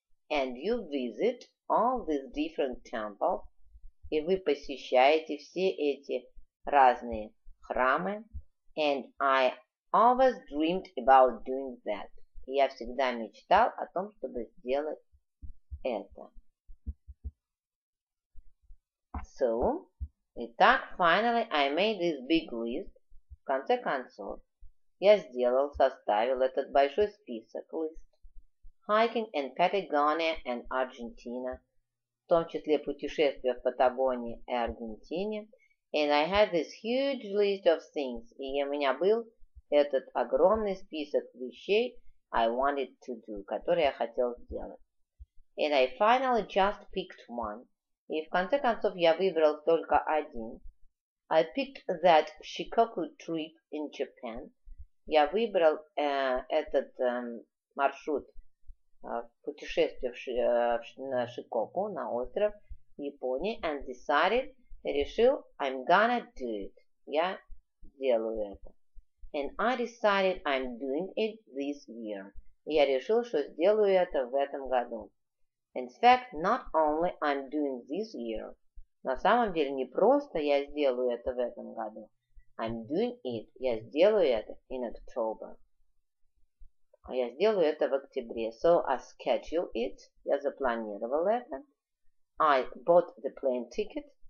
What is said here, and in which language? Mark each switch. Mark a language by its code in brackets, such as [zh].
[en] And you visit all these different temples, [ru] и вы посещаете все эти разные храмы, [en] and I always dreamed about doing that. [ru] Я всегда мечтал о том, чтобы сделать это. [en] So, итак, finally, I made this big list. [ru] В конце концов, я сделал, составил этот большой список, list. [en] Hiking in Patagonia and Argentina, [ru] в том числе путешествия в Патагонии и Аргентине. [en] And I had this huge list of things. [ru] И у меня был этот огромный список вещей [en] I wanted to do, [ru] которые я хотел сделать. [en] And I finally just picked one. [ru] И в конце концов я выбрал только один. [en] I picked that Shikoku trip in Japan. [ru] Я выбрал этот маршрут путешествия на Шикоку, на остров Японии, [en] and decided, [ru] решил, [en] I'm gonna do it. [ru] Я сделаю это. [en] And I decided I'm doing it this year. [ru] Я решил, что сделаю это в этом году. [en] In fact, not only I'm doing this year. [ru] На самом деле, не просто я сделаю это в этом году. [en] I'm doing it. [ru] Я сделаю это [en] in October. [ru] Я сделаю это в октябре. [en] So I schedule it. [ru] Я запланировал это. [en] I bought the plane ticket.